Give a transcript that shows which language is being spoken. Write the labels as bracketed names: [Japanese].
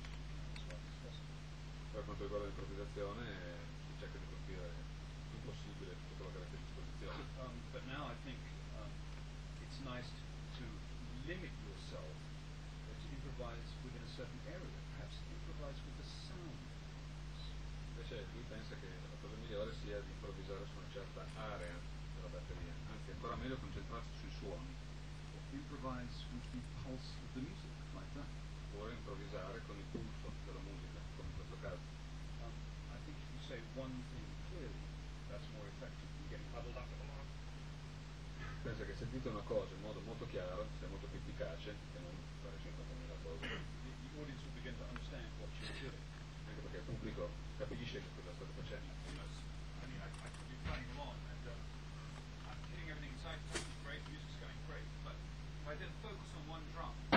[Italian] Per quanto riguarda l'improvvisazione, si cerca di colpire il possibile tutto quello che avete a disposizione. [English] But now I think it's nice to limit yourself to improvise within a certain area, perhaps improvise with the sound. [Italian] Invece lui pensa che la cosa migliore sia di improvvisare su una certa area della batteria, anzi ancora meglio concentrarsi sui suoni. [English] Improvise with the pulse of the music, like that. [Italian] Vuole improvvisare con il pulso della musica. [English] I think if you say one thing clearly, that's more effective than getting huddled up at a lot. [Italian] Penso che se dite una cosa in modo molto chiaro, sia molto più efficace che non fare 50.000 cose. [English] The audience will begin to understand what you're doing. [Italian] Anche perché il pubblico capisce che cosa state facendo. [English] I mean, I could be playing along and I'm hitting everything inside, which is great, the music's going great, but if I then focus on one drum.